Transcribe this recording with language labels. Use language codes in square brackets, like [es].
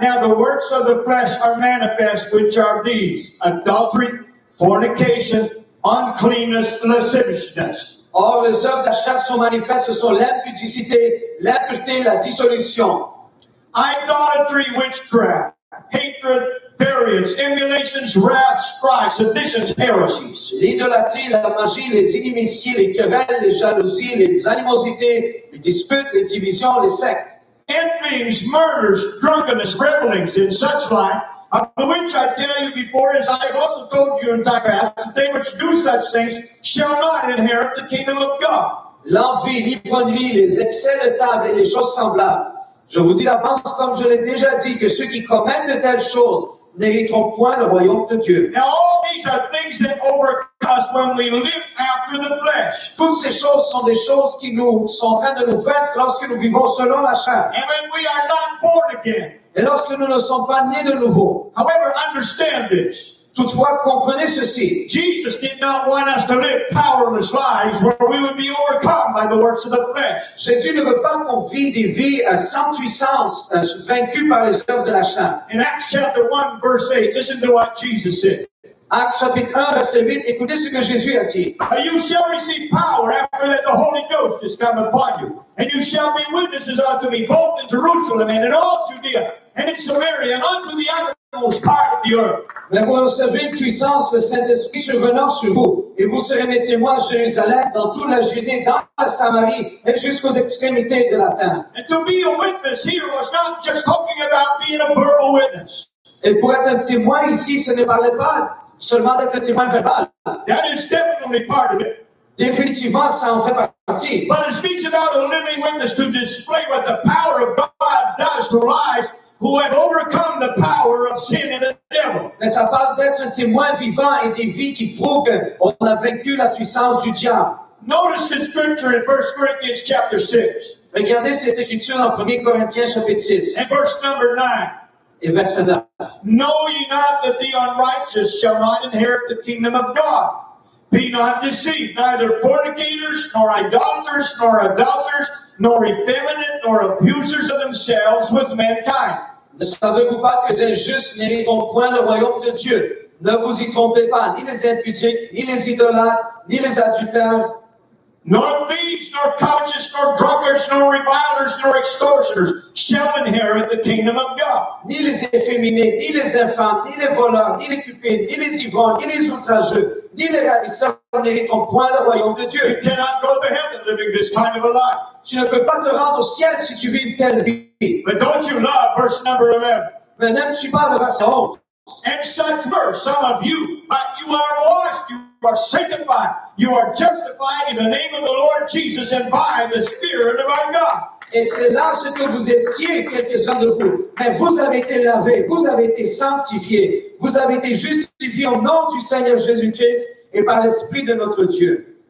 [en] Now the works of the flesh are manifest, which are these: adultery, fornication, uncleanness, lasciviousness. [fr] Or les œuvres de la chair sont manifestes, ce sont l'impudicité, l'impureté, la dissolution. [en] Idolatry, witchcraft, hatred, variance, emulations, wrath, strife, seditions, heresies. [fr] L'idolâtrie, la magie, les inimitiés, les querelles, les jalousies, les animosités, les disputes, les divisions, les sectes. [en] Envyings, murders, drunkenness, revelings, and such like, of the which I tell you before, as I have also told you in time past, that they which do such things shall not inherit the kingdom of God. [fr] L'envie, l'ivrognerie, les excès de table et les choses semblables. Je vous dis d'avance, comme je l'ai déjà dit, que ceux qui commettent de telles choses n'hériteront point le royaume de Dieu. [en] Now all these are things that overcome us when we live after the flesh. [fr] Toutes ces choses sont des choses qui nous sont en train de nous vaincre lorsque nous vivons selon la chair. [en] And when we are not born again. [fr] Et lorsque nous ne sommes pas nés de nouveau. [en] However, understand this. [fr] Toutefois, comprenez ceci. [en] Jesus did not want us to live powerless lives where we would be overcome by the works of the flesh. [fr] Jésus ne veut pas qu'on vit des vies sans puissance, vaincues par les œuvres de la chair. [en] In Acts chapter 1, verse 8, listen to what Jesus said. Acts chapter 1, verse 8, [fr] écoutez ce que Jésus a dit. [en] But you shall receive power after that the Holy Ghost has come upon you. And you shall be witnesses unto me, both in Jerusalem and in all Judea, and in Samaria, and unto the uttermost part of the earth. [fr] Mais vous recevrez une puissance, le Saint-Esprit survenant sur vous, et vous serez mes témoins à Jérusalem, dans toute la Judée, dans la Samarie, et jusqu'aux extrémités de la terre. [en] And to be a witness here was not just talking about being a verbal witness. [fr] Et pour être un témoin ici, ce n'est pas le pas seulement d'être un témoin verbal. [en] That is definitely part of it. [fr] Définitivement, ça en fait partie. [en] But it speaks about a living witness to display what the power of God does to lives who have overcome the power of sin and the devil. [fr] Mais ça parle d'être un témoin vivant et des vies qui prouvent qu'on a vaincu la puissance du diable. [en] Notice the scripture in 1 Corinthians chapter 6. [fr] Regardez cette écriture dans 1 Corinthiens chapitre 6. [en] And verse number 9. [fr] Et verset 9. [en] Know ye not that the unrighteous shall not inherit the kingdom of God? Be not deceived, neither fornicators, nor idolaters, nor adulterers, nor effeminate, nor abusers of themselves with mankind. [fr] Ne savez-vous pas que les injustes n'hériteront point le royaume de Dieu? Ne vous y trompez pas, ni les impudiques, ni les idolâtres, ni les adultères. [en] Nor thieves, nor covetous, nor drunkards, nor revilers, nor extortioners shall inherit the kingdom of God. [fr] Ni les efféminés, ni les infâmes, ni les voleurs, ni les cupides, ni les ivrognes, ni les outrageux, ni les ravisseurs n'hériteront point le royaume de Dieu. [en] You cannot go to heaven living this kind of a life. [fr] Tu ne peux pas te rendre au ciel si tu vis une telle vie. [en] But don't you love verse number 11? [fr] Mais n'aimes-tu pas le verset 11? [en] And such verse, some of you, but you are washed, you are sanctified, you are justified in the name of the Lord Jesus and by the Spirit of our God. [fr] Et c'est là ce que vous étiez, quelques-uns de vous. Mais vous avez été lavés, vous avez été sanctifiés, vous avez été justifiés au nom du Seigneur Jésus-Christ et par l'Esprit de notre Dieu.